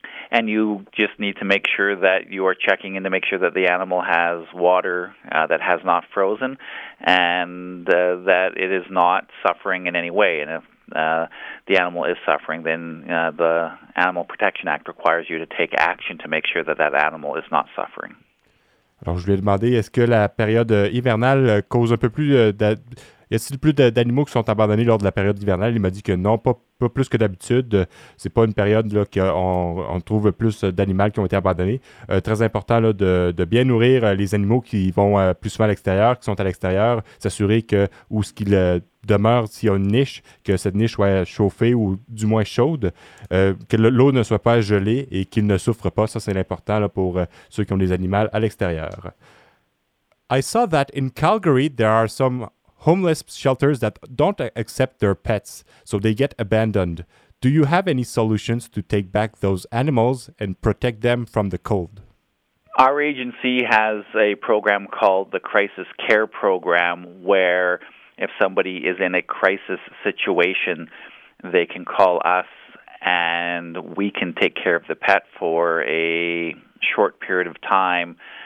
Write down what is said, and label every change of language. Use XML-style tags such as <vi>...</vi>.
<en>And you just need to make sure that you are checking in to make sure that the animal has water that has not frozen and that it is not suffering in any way. And if the animal is suffering, then the Animal Protection Act requires you to take action to make sure that that animal is not suffering.</en> <fr>Alors, je lui ai demandé, est-ce que la période hivernale cause un peu plus y a-t-il plus d'animaux qui sont abandonnés lors de la période hivernale? Il m'a dit que non, pas plus que d'habitude. C'est pas une période là, qu'on trouve plus d'animaux qui ont été abandonnés. Très important là, de bien nourrir les animaux qui vont plus souvent à l'extérieur, qui sont à l'extérieur, s'assurer que où ce qu'ils demeurent, s'il y a une niche, que cette niche soit chauffée ou du moins chaude, que l'eau ne soit pas gelée et qu'ils ne souffrent pas. Ça, c'est l'important là, pour ceux qui ont des animaux à l'extérieur.</fr> <en>I saw that in Calgary, there are some homeless shelters that don't accept their pets, so they get abandoned. Do you have any solutions to take back those animals and protect them from the cold? Our agency has a program called the Crisis Care Program, where if somebody is in a crisis situation, they can call us and we can take care of the pet for a short period of time</en>